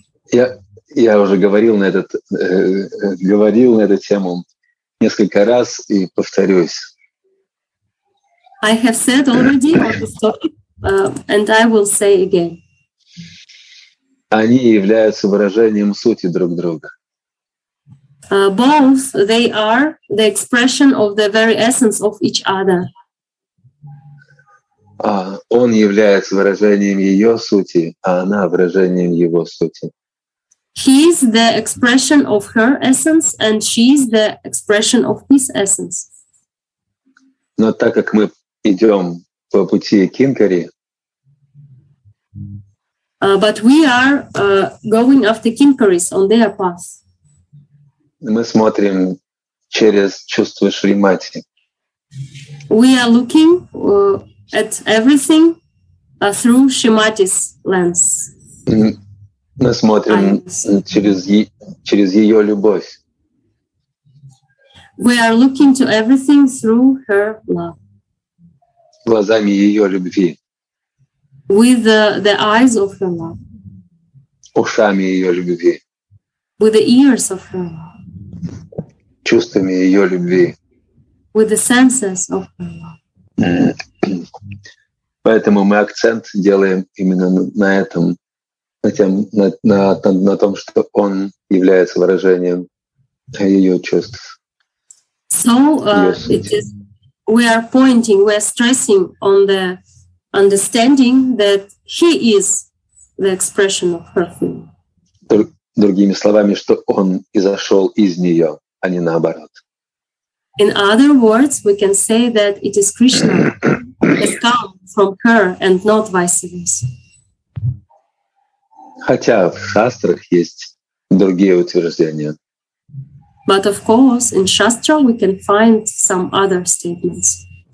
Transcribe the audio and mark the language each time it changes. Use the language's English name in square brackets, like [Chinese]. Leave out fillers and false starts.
[Russian] Я уже говорил на этот говорил на эту тему несколько раз и повторюсь. [English] I have said already on this topic. And I will say again. [Russian] Они являются выражением сути друг друга. [English] Both they are the expression of the very essence of each other. [Russian] Он является выражением ее сути, а она выражением его сути. [English] He is the expression of her essence, and she is the expression of his essence. [Russian] Но так как мы идем по пути Кинкари. [English] But we are going after Kinkaris on their path. [Russian] Мы смотрим через чувства Шримати. [English] We are looking at everything through Shrimati's lens. [Russian] Мы смотрим через ее любовь. [English] We are looking to everything through her love. [Russian] Глазами ее любви. [English] With the eyes of her love. [Russian] Ушами ее любви. [English] With the ears of her love. [Russian] Чувствами ее любви. [English] With the senses of her love. [Russian] Поэтому мы акцент делаем именно на этом, на том, что он является выражением ее чувств. [English] So it is, we are pointing, we are stressing on the understanding that he is the expression of her feeling. [Russian] Другими словами, что он изошел из нее, а не наоборот. [English] In other words, we can say that it is Krishna has come from her and not vice versa. [Russian] Хотя в шастрах есть другие утверждения. [English] But of course, in Shastra we can find some other statements.